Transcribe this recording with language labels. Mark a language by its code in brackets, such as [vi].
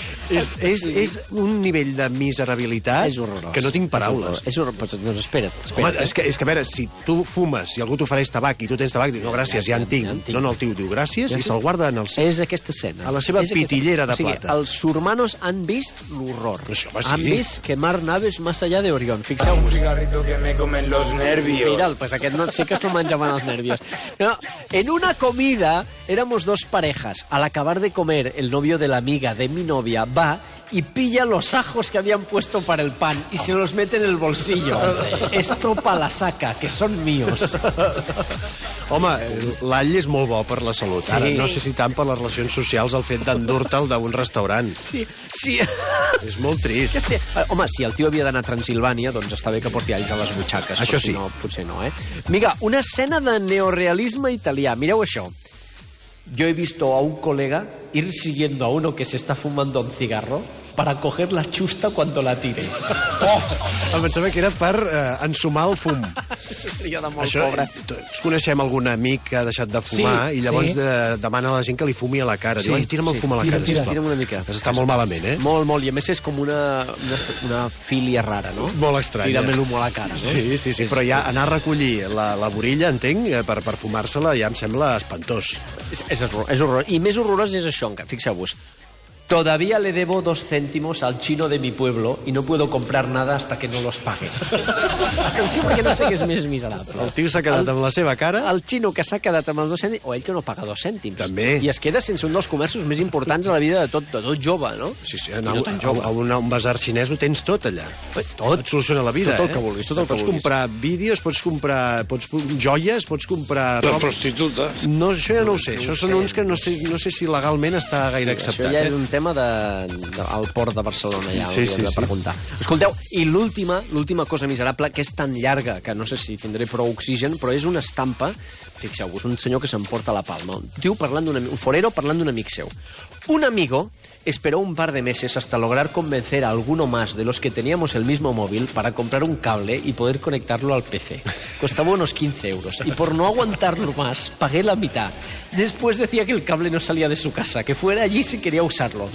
[ca] és un nivell de miserabilitat que no tinc paraules. Espera. És que, a veure, si tu fumes i algú t'ofereix tabac i tu tens tabac, dius, no, gràcies, ja en tinc. No, el tio diu gràcies i se'l guarda en el... És aquesta escena. A la seva pitillera de plata. Els surmanos han vist l'horror. Han [es] vist quemar naves más allá de Orión. [ca] Fixeu-vos. [es] Un cigarrito que me comen los nervios. [ca] Mira'l, pues aquest no, sí que se'l menjaven els nervios. No. [es] En una comida éramos dos parejas. Al acabar de comer, el novio de la amiga de mi novia va y pilla los ajos que habían puesto para el pan y se los mete en el bolsillo. Estopa la saca, que son míos. [ca] Home, l'all és molt bo per la salut. Sí. Ara, no sé si tant per les relacions socials el fet d'endur-te'l d'un restaurant. Sí. És molt trist. Sí. Home, si el tio havia d'anar a Transilvània, doncs està bé que porti alls a les butxaques. Això sí. Si no, potser no, eh? Mira, una escena de neorealisme italià. Mireu això. [es] Yo he visto a un colega ir siguiendo a uno que se está fumando un cigarro para coger la chusta cuando la tire. [ca] Oh! Em pensava que era per ensumar el fum. Això seria de molt pobre. Coneixem algun amic que ha deixat de fumar i llavors demana a la gent que li fumi a la cara. Diu, tira'm el fum a la cara. Tira'm una mica. Està molt malament, eh? Molt, molt. I a més és com una filia rara, no? Molt estranya. Tira'm el fum a la cara. Sí. Però ja anar a recollir la burilla, entenc, per fumar-se-la, ja em sembla espantós. És horror. I més horrorós és això, fixeu-vos. [es] Todavía le debo 2 céntimos al chino de mi pueblo y no puedo comprar nada hasta que no los pague. [ca] Que no sé què és més miserable. El tio s'ha quedat amb la seva cara. El xino que s'ha quedat amb els 2 cèntims, o ell que no paga 2 cèntims. També. I es queda sense un dels comerços més importants a la vida de tot jove, no? Sí, a un bazar xinès ho tens tot allà. Tot. Et soluciona la vida, tot el que vulguis. Comprar vídeos, pots comprar joies, de prostituta. No, això ja no ho sé. Això són uns que no sé si legalment està gaire acceptat. Això ja és un tema del port de Barcelona, ja, de preguntar. Escolteu, i l'última cosa miserable, que és tan llarga que no sé si tindré prou oxigen, però és una estampa, fixeu-vos, un senyor que s'emporta la palma, un forero parlant d'un amic seu. [es] Un amigo esperó un par de meses hasta lograr convencer a alguno más de los que teníamos el mismo móvil para comprar un cable y poder conectarlo al PC. Costaba unos 15 euros. Y por no aguantarlo más, pagué la mitad. Después decía que el cable no salía de su casa, que fuera allí si quería usarlo.